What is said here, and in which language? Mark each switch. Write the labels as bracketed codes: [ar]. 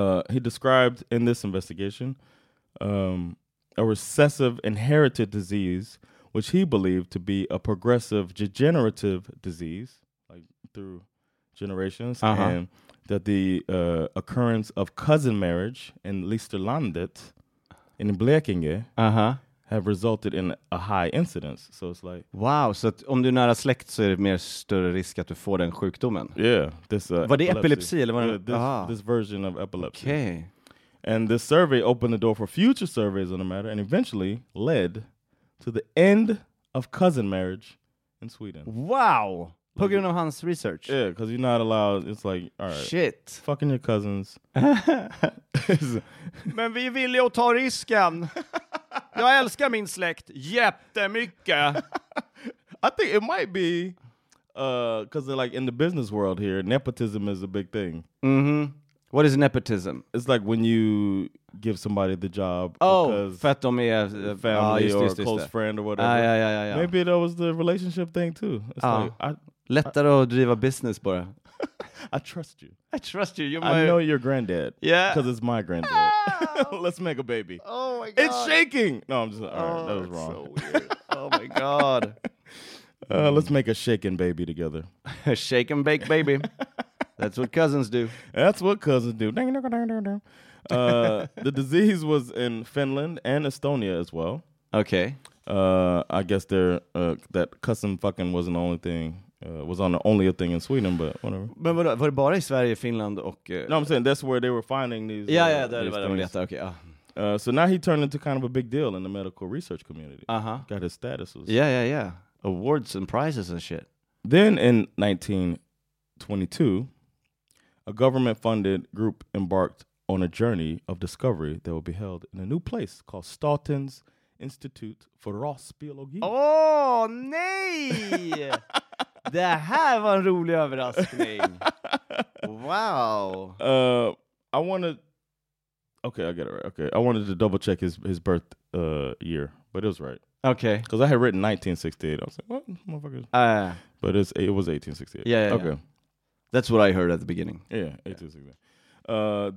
[en] He described in this investigation a recessive inherited disease, which he believed to be a progressive degenerative disease, like through generations, uh-huh. and that the occurrence of cousin marriage in Listerlandet, in Blekinge, uh-huh. have resulted in a high incidence. So it's like... [sv] Wow, så att om du är nära släkt så är det mer större risk att du får den sjukdomen. [en] Yeah. This, [sv] var det epilepsi? Eller var det? Yeah, [en] this version of epilepsy. Okay. And this survey opened the door for future surveys on the matter and eventually led to the end of cousin marriage in Sweden. [sv] Wow! På grund av hans research. [en] Yeah, because you're not allowed... It's like, all right. Shit. Fucking your cousins. [sv] Men vi är villiga att ta risken. Jag älskar min släkt jättemycket. [en] I think it might be... Because they're like in the business world here, nepotism is a big thing. Mm-hmm. What is nepotism? It's like when you give somebody the job. [sv] Oh, för att de är [en] family or close friend or whatever. Yeah. Maybe that was the relationship thing too. [sv] It's lättare att driva business bara. [en] I trust you. I know your granddad. Yeah. Because it's my granddad. Let's make a baby. Oh my God. It's shaking. No, I'm just, all right, that was wrong. So weird. Oh my God. Let's make a shaking baby together. A shake and bake baby. That's what cousins do. The disease was in Finland and Estonia as well. Okay. I guess that cousin fucking wasn't the only thing. Was only a thing in Sweden, but whatever. [sv] Men var det bara i Sverige, Finland och... [en] No, I'm saying that's where they were finding these... [sv] Yeah, där var det de letade, okej. [en] So now he turned into kind of a big deal in the medical research community. Uh-huh. Got his status. Yeah. Awards and prizes and shit. Then in 1922, a government-funded group embarked on a journey of discovery that would be held in a new place called Statens Institut for Rasbiologi. [sv] Oh, nej! Det här var en rolig överraskning. [en] Wow. I wanted to double check his birth year, but it was right. Okay. Because I had written 1968. I was like, what? Motherfuckers. But it was 1868. Yeah. Okay. That's what I heard at the beginning. Yeah, 1868.